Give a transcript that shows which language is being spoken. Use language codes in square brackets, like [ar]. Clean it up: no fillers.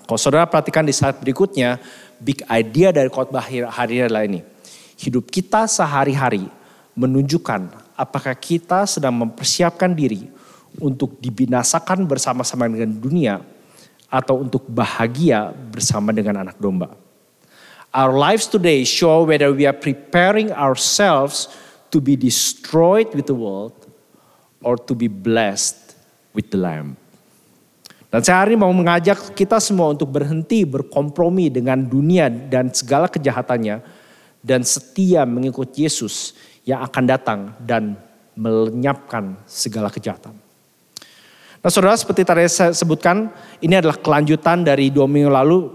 [id] Kalau saudara perhatikan di saat berikutnya, big idea dari khotbah hari ini adalah ini. Hidup kita sehari-hari menunjukkan apakah kita sedang mempersiapkan diri untuk dibinasakan bersama-sama dengan dunia atau untuk bahagia bersama dengan anak domba. [en] Our lives today show whether we are preparing ourselves to be destroyed with the world or to be blessed with the Lamb. [id] Dan saya hari ini mau mengajak kita semua untuk berhenti berkompromi dengan dunia dan segala kejahatannya dan setia mengikut Yesus yang akan datang dan melenyapkan segala kejahatan. Nah, saudara, seperti tadi saya sebutkan, ini adalah kelanjutan dari 2 minggu lalu.